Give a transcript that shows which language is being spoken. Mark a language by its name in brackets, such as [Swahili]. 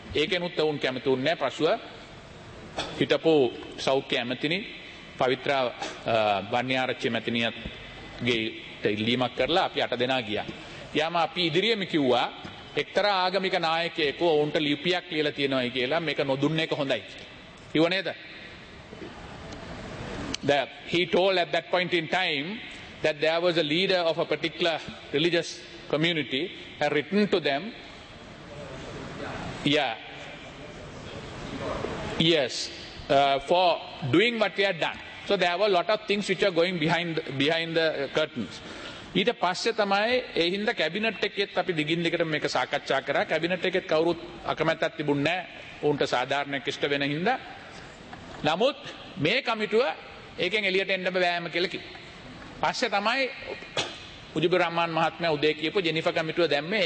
[Sinhala] ඒකෙනුත් ඔවුන් කැමති වුණේ නැහැ. පසුව හිටපු සෞඛ්‍ය ඇමතිනි පවිත්‍රා වන්‍යාරච්චි ඇමතිනියගේ ඉල්ලීමක් කරලා අපි 8 දෙනා ගියා. යාම අපි ඉදිරියේම කිව්වා එක්තරා ආගමික නායකයෙකු ඔවුන්ට ලිපියක් කියලා තියෙනවායි කියලා මේක නොදුන්න එක හොඳයි කිව්ව නේද? [English] That he told at that point in time that there was a leader of a particular religious community had written to them. Yeah. Yes. For doing what we had done. So there were a lot of things which are going behind the curtains. [Sinhala] ඊට පස්සේ තමයි ඒ හින්දා cabinet එකෙත් අපි දිගින් දිගටම මේක සාකච්ඡා කරා. කැබිනට් එකෙත් කවුරුත් අකමැත්තක් තිබුණේ නැහැ. උන්ට සාධාරණයක් ඉෂ්ට වෙන හින්දා. නමුත් මේ කමිටුව ඒකෙන් එළියට එන්න බෑම කියලා කිව්වා. පස්සේ තමයි මුජිබුර් රහමාන් මහත්මයා උදේ කියපු ජෙනිෆර් කමිටුව දැම්මේ.